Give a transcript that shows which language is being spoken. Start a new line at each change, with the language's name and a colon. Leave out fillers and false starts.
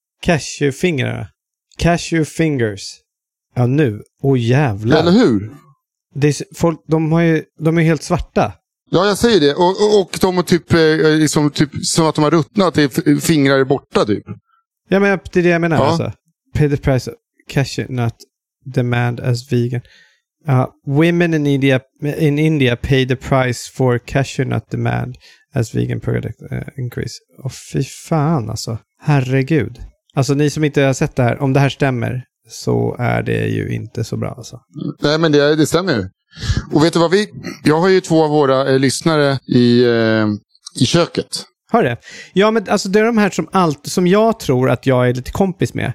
Swedish: Cashewfingrar.
English: Cashew fingers.
Swedish: Ja, nu. Åh, jävlar. Eller hur? De är helt svarta. Ja, jag säger det. Och de är typ som att de har ruttnat, fingrar är borta typ. Ja, men det är det jag menar. Ja. Alltså.
English: Pay the price, cash it, not demand as vegan. Women in India, pay the price for cashew nut demand as vegan product increase.
Swedish: Och fy fan alltså. Herregud. Alltså ni som inte har sett det här, om det här stämmer så är det ju inte så bra alltså. Nej, men det stämmer ju. Och vet du vad vi... Jag har ju två av våra lyssnare i köket. Har du det? Ja, men alltså det är de här som jag tror att jag är lite kompis med.